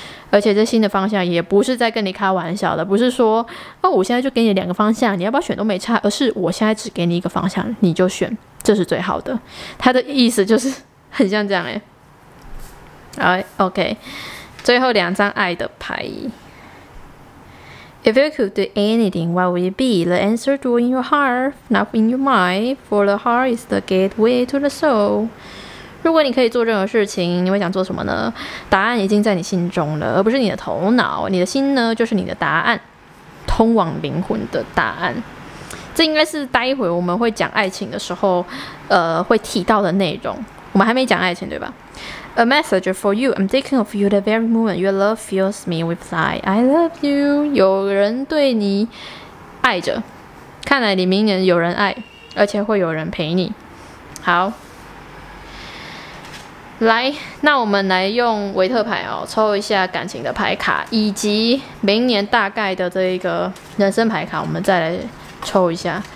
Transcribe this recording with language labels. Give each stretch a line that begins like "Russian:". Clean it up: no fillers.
Chinese: 而且这新的方向也不是在跟你开玩笑的，不是说哦，我现在就给你两个方向，你要不要选都没差，而是我现在只给你一个方向，你就选，这是最好的。他的意思就是很像这样耶。好 OK， 最后两张爱的牌。
English: If you could do anything, what would it be? The answer to in your heart, not in your mind. For the heart is the gateway to the soul.
Chinese: 如果你可以做任何事情，你会想做什么呢？答案已经在你心中了，而不是你的头脑。你的心呢，就是你的答案，通往灵魂的答案。这应该是待会我们会讲爱情的时候，会提到的内容。我们还没讲爱情，对吧？
English: A message for you. I'm thinking of you the very moment your love fills me with light. I love you.
Chinese: 有人对你爱着，看来你明年有人爱，而且会有人陪你。好。来，那我们来用维特牌哦，抽一下感情的牌卡，以及明年大概的这一个人生牌卡，我们再来抽一下。